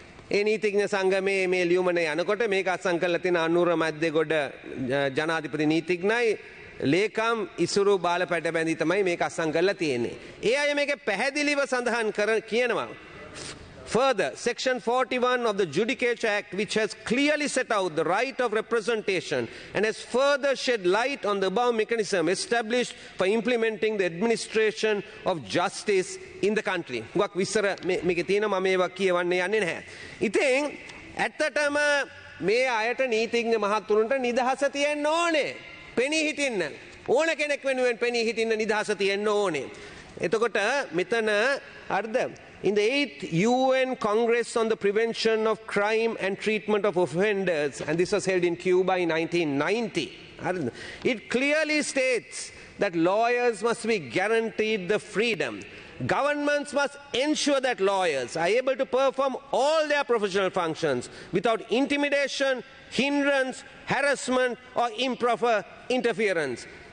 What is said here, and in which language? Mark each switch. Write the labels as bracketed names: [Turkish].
[Sinhala] ඒ නීතිඥ සංගමයේ මේ ලියුමන යනකොට මේක අත්සන් කරලා තියෙන අනුර මැද්දේගොඩ ජනාධිපති නීතිඥයි ලේකම් ඉසුරු බාලපැට බැඳි තමයි මේක අත්සන් කරලා තියෙන්නේ. ඒ අය මේක පැහැදිලිව සඳහන් කර කියනවා. [English] Further, Section 41 of the Judicature Act, which has clearly set out the right of representation and has further shed light on the above mechanism established for implementing the administration of justice in the country. [Sinhala] ගොක් විස්තර මේක තියෙනවා, මම ඒවා කියවන්න යන්නේ නැහැ. ඉතින් ඇත්තටම මේ අයට නීතිඥ මහතුරුන්ට නිදහස තියෙන්න ඕනේ. පෙනී හිටින්න ඕන කෙනෙක් වෙනුවෙන් පෙනී හිටින්න නිදහස තියෙන්න ඕනේ. එතකොට මෙතන හරිද? [English] In the 8th UN Congress on the Prevention of Crime and Treatment of Offenders, and this was held in Cuba in 1990, it clearly states that lawyers must be guaranteed the freedom governments must ensure that lawyers are able to perform all their professional functions without intimidation, hindrance, harassment, or improper interference.